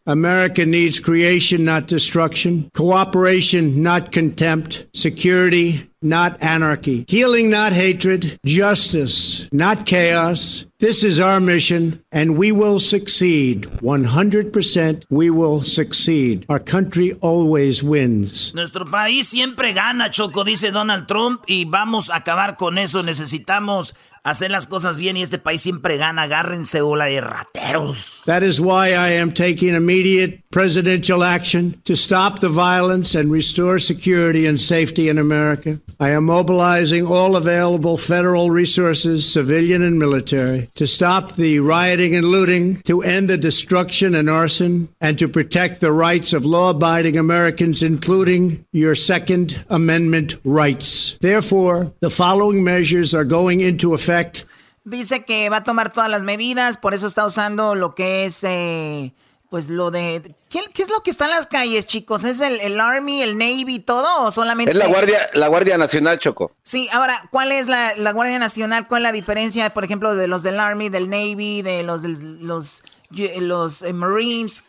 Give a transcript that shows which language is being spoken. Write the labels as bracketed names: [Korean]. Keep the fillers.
[English] America needs creation, not destruction. Cooperation, not contempt. Security. not anarchy. Healing, not hatred. Justice, not chaos. This is our mission, and we will succeed. 100% we will succeed. Our country always wins. [Spanish] Nuestro país siempre gana, Choco, dice Donald Trump, y vamos a acabar con eso. Necesitamos that [English] is why I am taking immediate presidential action to stop the violence and restore security and safety in America. I am mobilizing all available federal resources, civilian and military, to stop the rioting and looting, to end the destruction and arson, and to protect the rights of law abiding Americans, including your Second Amendment rights. Therefore, the following measures are going into effect. [Spanish] Exacto. Dice que va a tomar todas las medidas, por eso está usando lo que es, eh, pues lo de. ¿qué, ¿qué, es lo que está en las calles, chicos? ¿Es el, el, Army, el Navy, todo o solamente.? Es la Guardia, la guardia Nacional, Choco. Sí, ahora, ¿cuál es la, la, Guardia Nacional? ¿Cuál es la diferencia, por ejemplo, de los del Army, del Navy, de los, de los, de los, de los, los, los Marines?